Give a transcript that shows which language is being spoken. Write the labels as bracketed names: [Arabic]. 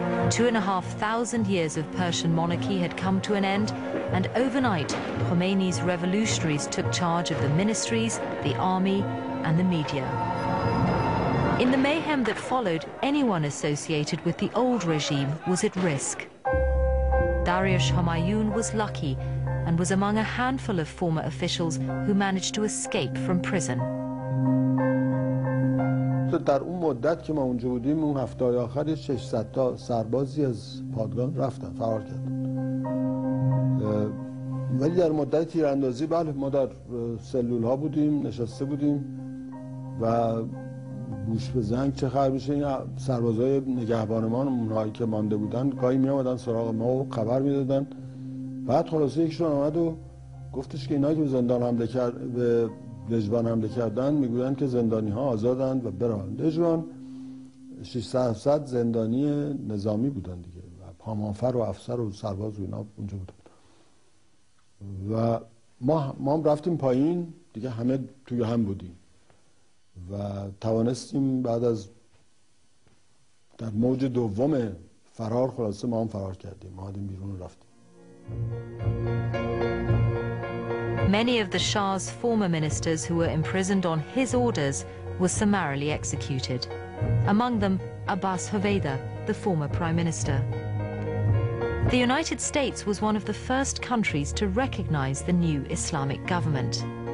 [English] 2,500 years of Persian monarchy had come to an end, and overnight, Khomeini's revolutionaries took charge of the ministries, the army, and the media. In the mayhem that followed, anyone associated with the old regime was at risk. Dariush Homayoun was lucky and was among a handful of former officials who managed to escape from prison. [Persian] در اون مدت که ما اونجا بودیم اون هفته های آخر 600 تا سربازی از پادگان رفتن فرار کردن ولی در مدت تیراندازی بله ما در سلول ها بودیم نشسته بودیم و گوش به زنگ چه خبر میشه این سربازهای نگهبان ما اونهایی که مانده بودن گاهی می آمدن سراغ ما و خبر میدادن بعد خلاصه یکشون آمد و گفتش که اینا که به زندان حمله کرد به دژبان حمله کردن میگویند که زندانی ها آزادند و برانند دژبان 600 زندانی نظامی بودند دیگه و پامانفر و افسر و سرباز و اینا اونجا بودند و ما رفتیم پایین دیگه همه توی هم بودیم و توانستیم بعد از در موج دوم فرار خلاصه ما هم فرار کردیم ما هم بیرون رفتیم [English] Many of the Shah's former ministers who were imprisoned on his orders were summarily executed. Among them, Abbas Hoveyda, the former prime minister. The United States was one of the first countries to recognize the new Islamic government.